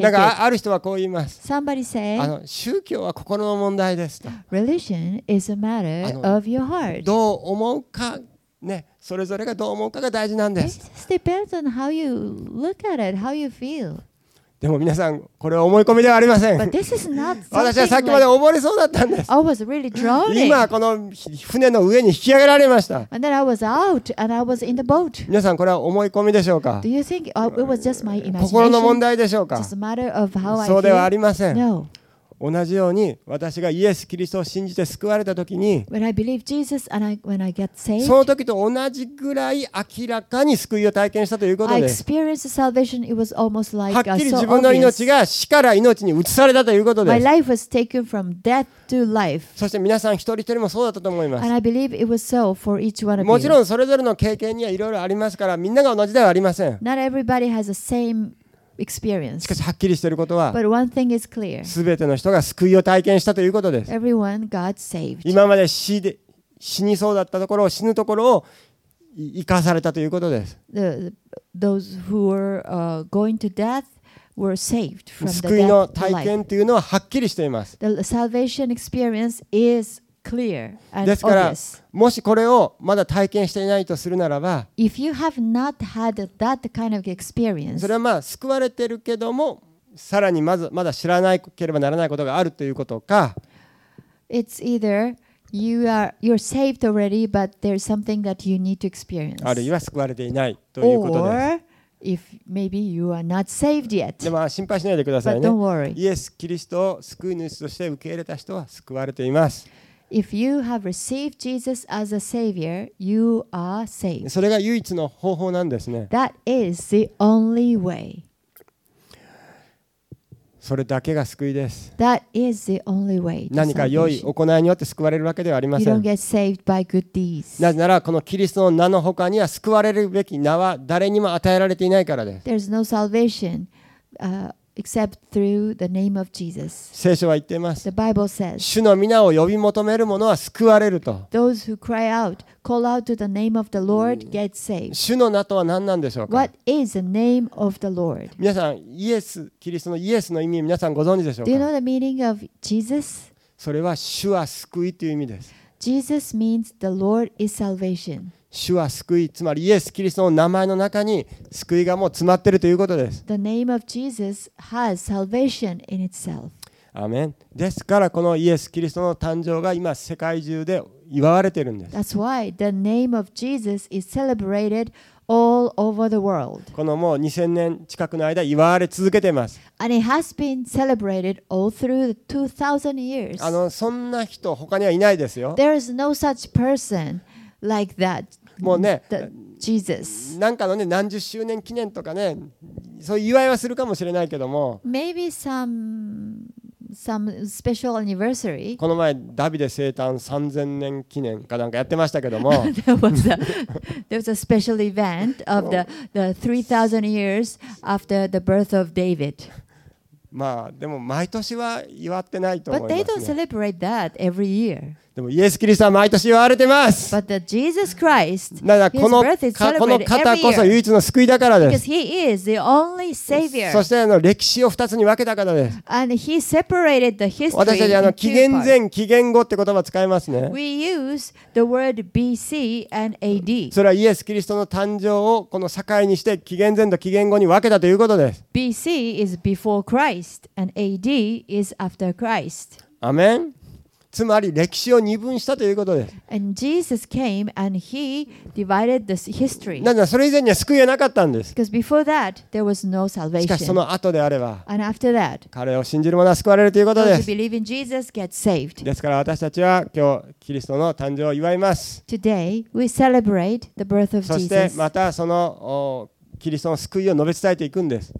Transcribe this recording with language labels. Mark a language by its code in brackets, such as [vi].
[ja] なんかある人はこう言います。 [en] Somebody say, [ja] 宗教は心の問題ですと。 [en] Religion is a matter of your heart. [ja] どう思うか、ね、それぞれがどう思うかが大事なんです。 [en] It just depends on how you look at it, how you feel. [ja] でも皆さん、これは思い込みではありません。 [en] But this is not something like... [ja] 私はさっきまで溺れそうだったんです。 [en] I was really drowning. [ja] 今この船の上に引き上げられました。 [en] And then I was out and I was in the boat. [ja] 皆さん、これは思い込みでしょうか。 [en] Do you think it was just my imagination? [ja] 心の問題でしょうか。 [en] Just a matter of how I feel. [ja] そうではありません。 [en] No. [ja] 同じように私がイエス・キリストを信じて救われた時に、 [en] When I believe Jesus and when I get saved, [ja] その時と同じぐらい明らかに救いを体験したということです。 [en] I experienced salvation. It was almost like [ja] はっきり自分の命が死から命に移されたということです。 [en] My life was taken from death to life. [ja] そして皆さん一人一人もそうだったと思います。 [en] And I believe it was so for each one of you. [ja] もちろんそれぞれの経験にはいろいろありますから、みんなが同じではありません。 [en] Not everybody has the same. Experience. [ja] しかしはっきりしていることは、 [en] But one thing is clear. [ja] 全ての人が救いを体験したということです。 [en] Everyone got saved. [ja] 今まで死にそうだったところを死ぬところを生かされたということです。 [en] Those who were going to death were saved from the death to life. [ja] 救いの体験というのははっきりしています。 [en] The salvation experience is clear and obvious. [ja] ですから、もしこれをまだ体験していないとするならば、 [en] If you have not had that kind of experience, [ja] それはまあ救われてるけども、さらにまずまだ知らなければならないことがあるということか、 [en] It's either you're saved already, but there's something that you need to experience. [ja] あるいは救われていないということです。 [en] Or if maybe you are not saved yet. [ja] でも心配しないでくださいね。 [en] But don't worry. [ja] イエス・キリストを救い主として受け入れた人は救われています。 [en] If you have received Jesus as a savior, you are saved. [ja] それが唯一の方法なんですね。 [en] That is the only way. [ja] それだけが救いです。 [en] That is the only way. [ja] 何か良い行いによって救われるわけではありません。 [en] You don't get saved by good deeds. [ja] なぜならこのキリストの名の他には救われるべき名は誰にも与えられていないからです。 [en] There's no salvation. Except through the name of Jesus. [ja] 聖書は言っています。 [en] The Bible says, [ja] 主の皆を呼び求める者は救われると。 [en] Those who cry out, call out to the name of the Lord, get saved. [ja] 主の名とは何なんでしょうか。 [en] What is the name of the Lord? [ja] 皆さん、イエス、キリストのイエスの意味、皆さんご存知でしょうか。 [en] Do you know the meaning of Jesus? [ja] それは主は救いという意味です。 [en] Jesus means the Lord is salvation. [ja] 主は救い、つまりイエス・キリストの名前の中に救いがもう詰まっているということです。 [en] The name of Jesus has salvation in itself. [ja] アーメン。ですからこのイエス・キリストの誕生が今世界中で祝われているんです。 [en] That's why the name of Jesus is celebrated all over the world. [ja] このもう2000年近くの間祝われ続けています。 [en] And it has been celebrated all through the 2000 years. [ja] そんな人他にはいないですよ。 [en] There is no such person. Like that, [ja] もうね、 [en] Jesus. [ja] なんかのね、何十周年記念とかね、そういう祝いはするかもしれないけども、 [en] Maybe some special anniversary. [ja] この前ダビデ生誕3000年記念かなんかやってましたけども、 [en] there was a special event of the 3000 years after the birth of David. [ja] まあでも毎年は祝ってないと思いますね。 [en] But they don't celebrate that every year. [ja] でもイエスキリストは毎年言われてます。 [en] But the Jesus Christ, [ja] だからこの方こそ唯一の救いだからです。 [en] Because he is the only savior. [ja] そして歴史を二つに分けたからです。 [en] And he separated the history into two parts. [ja] 私たち紀元前、紀元後って言葉使いますね。 [en] We use the word B.C. and A.D. [ja] それはイエスキリストの誕生をこの境にして紀元前と紀元後に分けたということです。 [en] B.C. is before Christ and A.D. is after Christ. [ja] アメン。つまり歴史を二分したということです。 [en] And Jesus came and he divided this history. [ja] なぜならそれ以前には救いはなかったんです。 [en] Because before that there was no salvation. [ja] しかしその後であれば、 [en] And after that, [ja] 彼を信じる者は救われるということです。 [en] Those who believe in Jesus get saved. [ja] ですから私たちは今日キリストの誕生を祝います。 [en] Today we celebrate the birth of Jesus. [ja] そしてまたそのキリストの救いを述べ伝えていくんです。